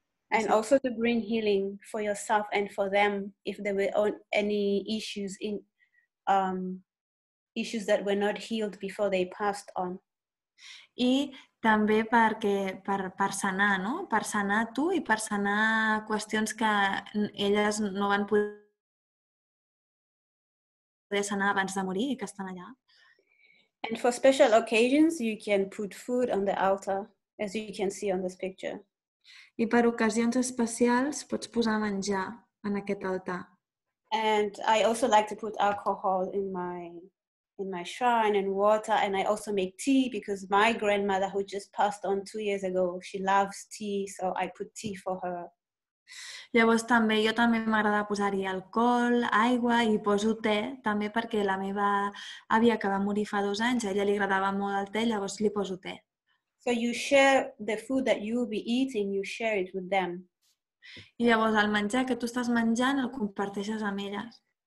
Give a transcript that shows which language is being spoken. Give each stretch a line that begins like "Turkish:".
English: And also to bring healing for yourself and for them if there were any issues in issues that were not healed before they passed on.
Catalan: I també per sanar, no? Per sanar tu i per sanar qüestions que elles no van poder sanar abans de morir i que estan allà.
English: And for special occasions you can put food on the altar as you can see on this picture.
Catalan: I per ocasions especials pots posar menjar en aquest altar.
English: And I also like to put alcohol in my shrine and water, and I also make tea because my grandmother who just passed on 2 years ago, she loves tea, so I put tea for her.
Catalan: Llavors també, jo també m'agrada posar-hi alcohol, aigua i poso te també perquè la meva àvia que va morir fa 2 anys, a ella li agradava molt el te, llavors li poso te.
English: So you share the food that you will be eating, you share it with them.
Catalan: I llavors el menjar que tu estàs menjant el comparteixes amb elles.